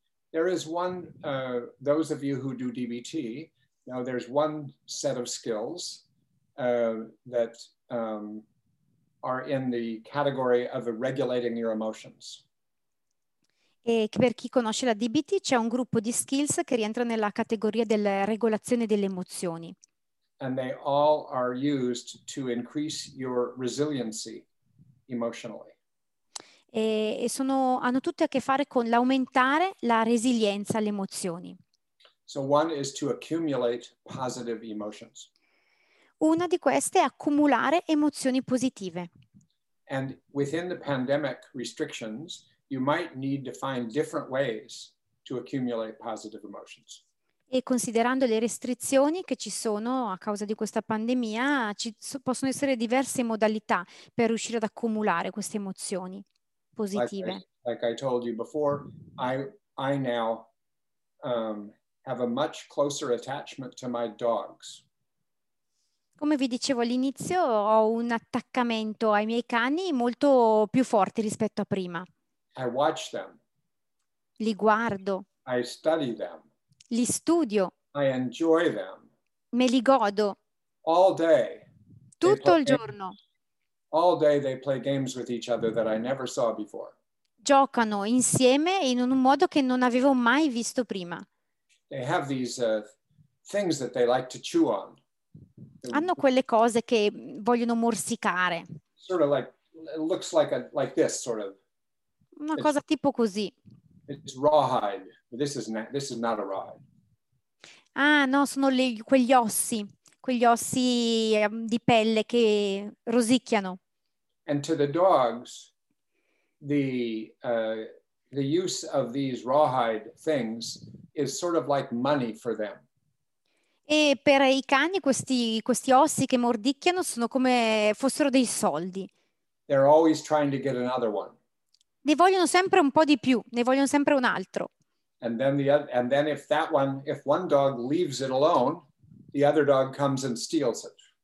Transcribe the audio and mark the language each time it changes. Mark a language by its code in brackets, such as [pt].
[en] There is one, those of you who do DBT, now there's one set of skills that are in the category of the regulating your emotions. [it] E per chi conosce la DBT c'è un gruppo di skills che rientra nella categoria della regolazione delle emozioni. [en] And they all are used to increase your resiliency emotionally. [it] Hanno tutte a che fare con l'aumentare la resilienza alle emozioni. [en] So one is to accumulate positive emotions. [it] Una di queste è accumulare emozioni positive. [en] And within the pandemic restrictions, you might need to find different ways to accumulate positive emotions. [it] E considerando le restrizioni che ci sono a causa di questa pandemia, possono essere diverse modalità per riuscire ad accumulare queste emozioni positive. [en] Like I told you before, I now have a much closer attachment to my dogs. [it] Come vi dicevo all'inizio, ho un attaccamento ai miei cani molto più forte rispetto a prima. [en] I watch them. [it] Li guardo. [en] I study them. [it] Li studio. [en] I enjoy them. [it] Me li godo. [en] All day. [it] Tutto il giorno. [en] All day they play games with each other that I never saw before. [it] Giocano insieme in un modo che non avevo mai visto prima. [en] They have these things that they like to chew on. [it] Hanno quelle cose che vogliono morsicare. [en] Sort of like, it looks like this sort of. [it] Una cosa tipo così. [en] It's rawhide. This is not a rawhide. [it] Ah, no, sono quegli ossi di pelle che rosicchiano. [en] And to the dogs, the use of these rawhide things is sort of like money for them. [it] E per i cani questi ossi che mordicchiano sono come fossero dei soldi. [en] They're always trying to get another one. [it] Ne vogliono sempre un po' di più, ne vogliono sempre un altro. [en] And then if one dog leaves it alone, the other dog comes and steals it.